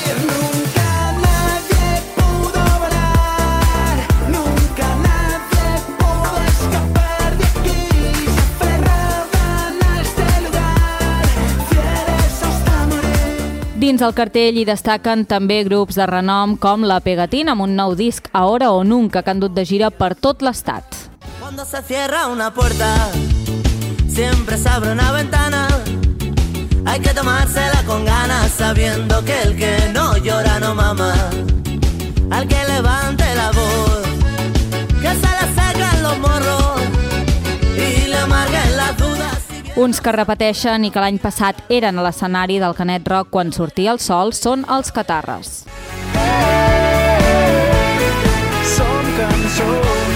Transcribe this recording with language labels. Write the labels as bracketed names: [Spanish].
[Spanish] Nunca nadie pudo volar, nunca nadie pudo escapar de aquí, se aferraban a este lugar, fieles hasta morir. [Catalan] Dins el cartell hi destaquen també grups de renom com La Pegatina, amb un nou disc Ahora o Nunca, que han dut de gira per tot l'estat. [Spanish] Cuando se cierra una puerta, siempre se abre una ventana. Hay que tomársela con ganas, sabiendo que el que no llora no mama. Al que levante la voz, que se le secan los morros y le amarguen las dudas. [Catalan] Uns que repeteixen i que l'any passat eren a l'escenari del Canet Rock quan sortia el sol són els Catarres. Som cançons.